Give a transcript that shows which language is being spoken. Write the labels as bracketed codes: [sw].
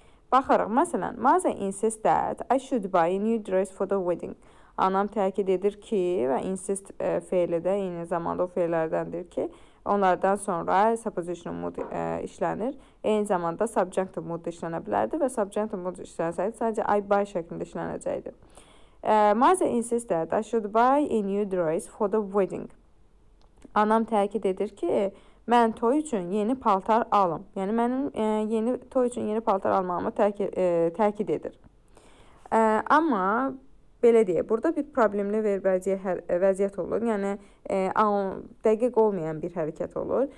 [az] Baxırıq, məsələn, [en] Maza insists that I should buy a new dress for the wedding. [az] Anam təkid edir ki, və insist feilidə, eyni zamanda o feillərdəndir ki, Onlardan sonra suppositional mood işlənir. Eyni zamanda subjunctive mood işlənə bilərdi və subjunctive mood işlənsəydi sadəcə I buy şəklində işlənəcəkdi. [en] Mother insisted I should buy a new dress for the wedding. [az] Anam təkid edir ki, mən toy üçün yeni paltar alım. Yəni mənim yeni toy üçün yeni paltar almağımı təkid edir. Amma belə deyə, burada bir problemli vəziyyət olur. Yəni, dəqiq olmayan bir hərəkət olur.